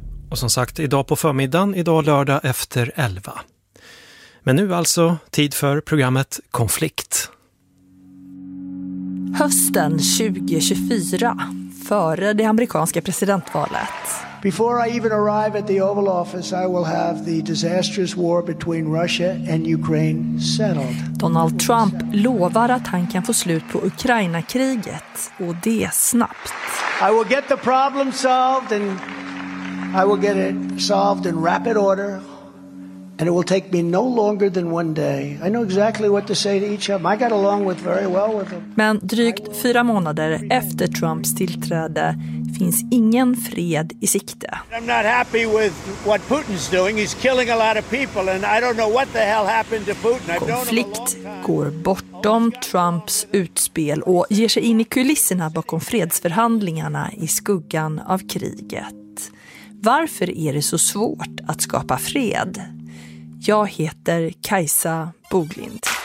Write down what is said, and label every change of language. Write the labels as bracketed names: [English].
[Swedish] Och som sagt, idag på förmiddagen, idag lördag efter 11. Men nu alltså tid för programmet Konflikt. Hösten 2024. Före det amerikanska presidentvalet. [English] Before I even arrive at the Oval Office, I will have the disastrous war between Russia and Ukraine settled. [Swedish] Donald Trump lovar att han kan få slut på Ukraina-kriget, och det snabbt. [English] I will get the problem solved and I will get it solved in rapid order. And it will take me no longer than one day. I know exactly what to say to each of them. I got along with very well with them. [Swedish] Men drygt 4 månader efter Trumps tillträde finns ingen fred i sikte. [English] I'm not happy with what Putin's doing. He's killing a lot of people and I don't know what the hell happened to Putin. [Swedish] Konflikt går bortom Trumps utspel och ger sig in i kulisserna bakom fredsförhandlingarna i skuggan av kriget. Varför är det så svårt att skapa fred? Jag heter Kajsa Boglind.